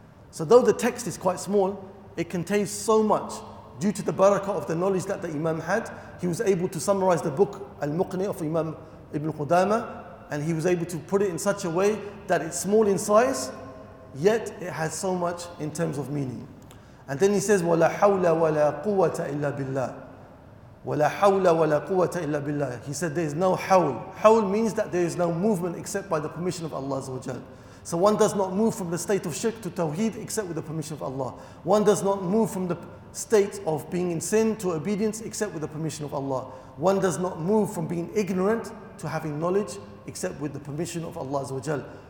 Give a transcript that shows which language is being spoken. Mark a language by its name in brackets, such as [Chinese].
[English] So though the text is quite small, it contains so much. Due to the barakah of the knowledge that the Imam had, he was able to summarize the book Al-Muqni of Imam Ibn Qudama, and he was able to put it in such a way that it's small in size, yet it has so much in terms of meaning. And then he says, [Arabic] وَلَا حَوْلَ وَلَا قُوَّةَ إِلَّا بِاللَّهِ وَلَا حَوْلَ وَلَا قُوَّةَ إِلَّا بِاللَّهِ. [English] He said, there is no hawl. Hawl means that there is no movement except by the permission of Allah Azza wa Jal. So one does not move from the state of shirk to tawheed except with the permission of Allah. One does not move from the state of being in sin to obedience except with the permission of Allah. One does not move from being ignorant to having knowledge except with the permission of Allah Azza wa Jal.